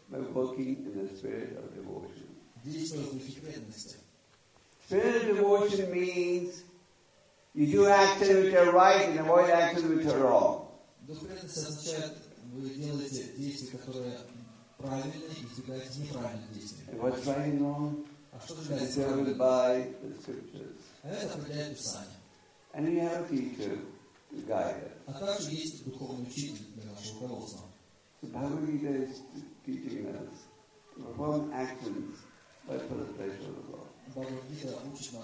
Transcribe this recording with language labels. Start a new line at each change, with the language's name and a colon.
English: By working in the spirit of devotion.
Russian: Действовать в секретности.
English: Spirit of devotion means you do actions which are right and avoid actions which are wrong.
Russian: Духовность означает, вы делаете действия, которые правильные, и избегаете неправильные действия.
English: And what's right and wrong?
Russian: А что же делать?
English: Determined by the scriptures.
Russian: А это определяет Писание.
English: And we have a teacher to guide us.
Russian: А также есть духовный учитель для нашего руководства.
English: The Bhagavad Gita is teaching us to perform actions but for the pleasure of God.